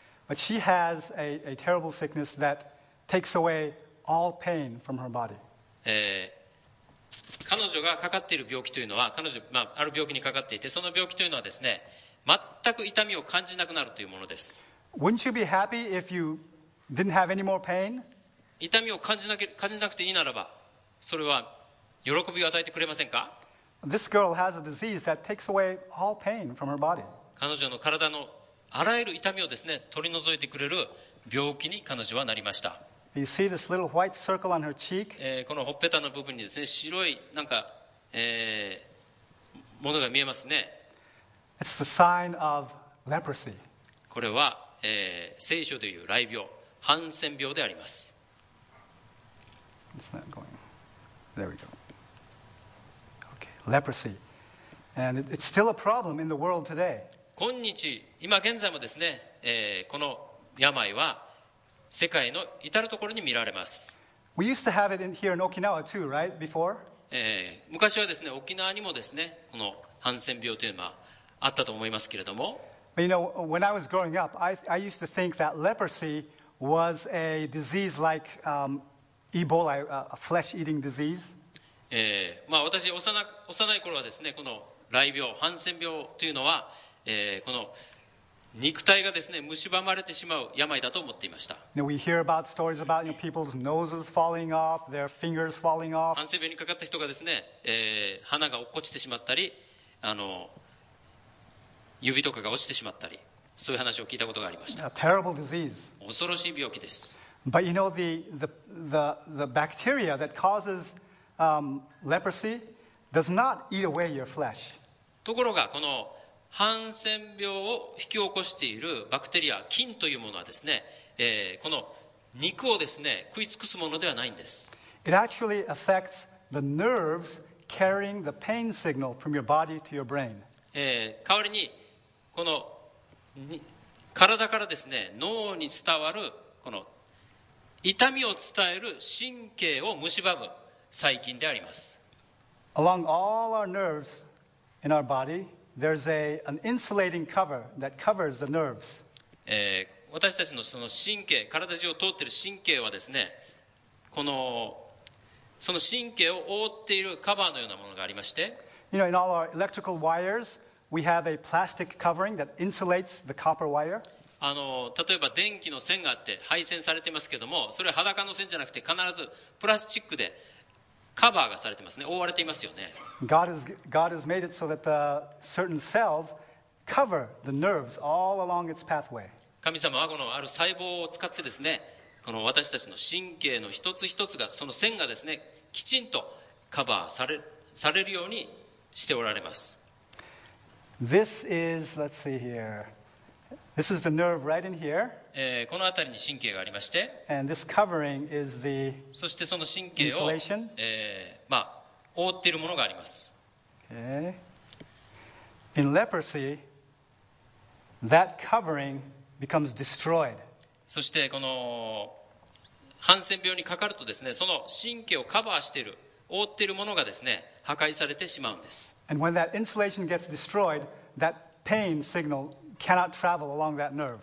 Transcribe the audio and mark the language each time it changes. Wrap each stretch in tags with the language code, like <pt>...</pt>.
<en>But she has a terrible sickness that takes away all pain from her body.</en> <ja>彼女がかかっている病気というのは、彼女、ある病気にかかっていて、その病気というのはですね、全く痛みを感じなくなるというものです。</ja> <en>Wouldn't you be happy if you didn't have any more pain?</en> <ja>痛みを感じなくていいならば、それは喜びを与えてくれませんか?</ja> <en>This girl has a disease that takes away all pain from her body.</en> <ja>彼女の体のあらゆる痛みをですね、取り除いてくれる病気に彼女はなりました。</ja> <en>You see this little white circle on her cheek?</en> <ja>このほっぺたの部分にですね、白いなんか、ものが見えますね。</ja> <en>It's the sign of leprosy.</en> <ja>これは、聖書でいう雷病、ハンセン病であります。</ja> <en>It's not going. There we go. Okay, leprosy. And it's still a problem in the world today.</en> <ja>今日、今現在もですね、この病は世界の至る所に見られます。</ja> <en>We used to have it in here in Okinawa too, right? Before?</en> <ja>昔はですね、沖縄にもですね、このハンセン病というのはあったと思いますけれども。</ja> <en>But you know, when I was growing up, I used to think that leprosy was a disease like Ebola, a flesh-eating disease.</en> <ja>私、幼い頃はですね、この雷病、ハンセン病というのは、この肉体がですね、蝕まれてしまう病だと思っていました。</ja> <en>We hear about stories about people's noses falling off, their fingers falling off.</en> <ja>ハンセン病にかかった人がですね、鼻が落っこちてしまったり、指とかが落ちてしまったり、そういう話を聞いたことがありました。</ja> <en>Terrible disease.</en> <ja>恐ろしい病気です。</ja> <en>But you know the bacteria that causes leprosy does not eat away your flesh.</en> <ja>ところがこのハンセン病を引き起こしているバクテリア、菌というものはですね、この肉をですね、食い尽くすものではないんです。</ja> <en>It actually affects the nerves carrying the pain signal from your body to your brain.</en> <ja>代わりに、この体からですね、脳に伝わる、この痛みを伝える神経を蝕む細菌であります。</ja> <en>Along all our nerves in our body,There's an insulating cover that covers the nerves.</en> <ja>私たちのその神経、体中を通っている神経はですね、このその神経を覆っているカバーのようなものがありまして、</ja> <en>You know, in all our electrical wires, we have a plastic covering that insulates the copper wire.</en> <ja>例えば電気の線があって配線されていますけれども、それは裸の線じゃなくて必ずプラスチックでカバーがされてますね、覆われていますよね。</ja> <en>God has made it so that certain cells cover the nerves all along its pathway.</en> <ja>神様はこのある細胞を使ってですね、この私たちの神経の一つ一つが、その線がですね、きちんと、カバーされ、されるようにしておられます。</ja> <en>This is, let's see here. This is the nerve right in here.</en> <ja>この辺りに神経がありまして、</ja> <en>And this covering is the insulation.</en> <ja>そしてその神経を、まあ、覆っているものがあります。</ja> <en>Okay. In leprosy, that covering becomes destroyed.</en> <ja>そしてこのハンセン病にかかるとですね、その神経をカバーしている、覆っているものがですね、破壊されてしまうんです。</ja> <en>And when that insulation gets destroyed, that pain signal cannot travel along that nerve.</en>